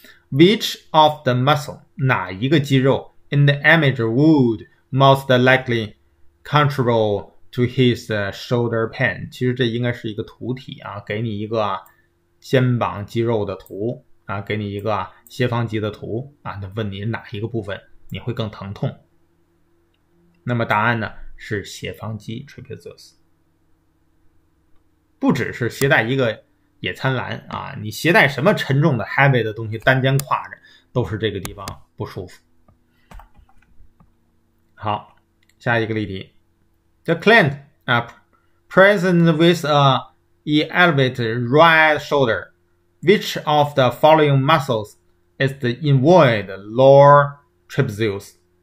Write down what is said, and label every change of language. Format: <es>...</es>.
<en>Which of the muscle</en> <zh>哪一个肌肉</zh> <en>in the image would most likely contribute to his shoulder pain？</en> <zh>其实这应该是一个图体啊，给你一个肩膀肌肉的图啊，给你一个斜方肌的图啊，那问你哪一个部分你会更疼痛？那么答案呢是斜方肌 trapezius。不只是携带一个野餐篮啊，你携带什么沉重的 heavy 的东西单肩挎着都是这个地方不舒服。好，下一个例题。</zh> <en>The client, present with a elevated right shoulder, which of the following muscles is the involved lower trapezius?</en>